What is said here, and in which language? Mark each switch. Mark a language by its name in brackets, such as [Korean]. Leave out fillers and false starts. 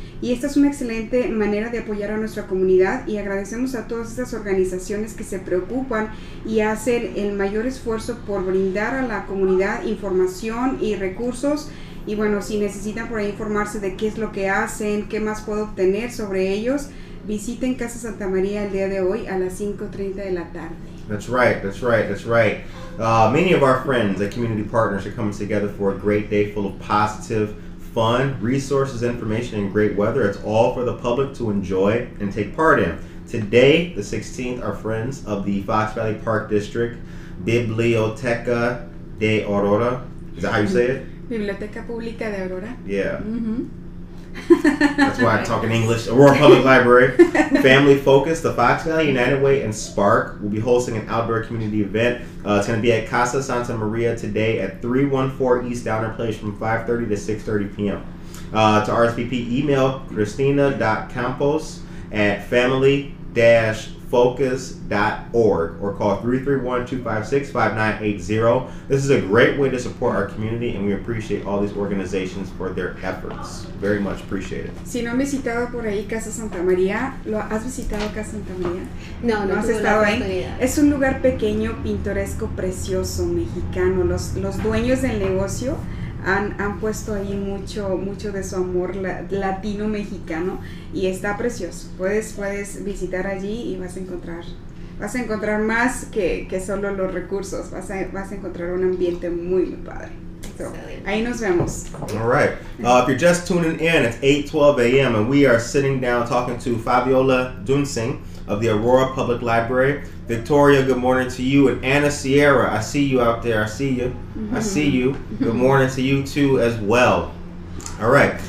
[Spanish] Y esta es una excelente manera de apoyar a nuestra comunidad, y agradecemos a todas estas organizaciones que se preocupan y hacen el mayor esfuerzo por brindar a la comunidad información y recursos. Y bueno, si necesitan por ahí informarse de qué es lo que hacen, qué más puedo obtener sobre ellos, visiten Casa Santa María el día de hoy a las 5:30 de la tarde. [English] That's right. Many of our friends and community partners are coming together for a great day full of positive fun, resources, information, and great weather. It's all for the public to enjoy and take part in. Today, the 16th, our friends of the Fox Valley Park District, Biblioteca de Aurora. Is that how you say it? [Spanish] Biblioteca Pública de Aurora. [English] Yeah. Mm-hmm. That's why I talk in English. Aurora Public Library. Family Focus, the Fox Valley United Way, and Spark will be hosting an outdoor community event. It's going to be at Casa Santa Maria today at 314 East Downer Place from 5:30 to 6:30 p.m. To RSVP, email christina.campos@family-focus.org or call 331-256-5980. This is a great way to support our community, and we appreciate all these organizations for their efforts. Very much appreciated. [Spanish] Si no has visitado por ahí Casa Santa María, ¿lo has visitado Casa Santa María? No has estado ahí. Es un lugar pequeño, pintoresco, precioso, mexicano. Los dueños del negocio han puesto ahí mucho de su amor latino mexicano, y está precioso. Puedes visitar allí y vas a encontrar más que solo los recursos. Vas a encontrar un ambiente muy, muy padre. So, ahí nos vemos. [English] All right. If you're just tuning in, it's 8:12 a.m. and we are sitting down talking to Fabiola Dunsing of the Aurora Public Library. Victoria, good morning to you. And Anna Sierra, I see you out there. I see you. Mm-hmm. I see you. Good morning to you too as well. All right.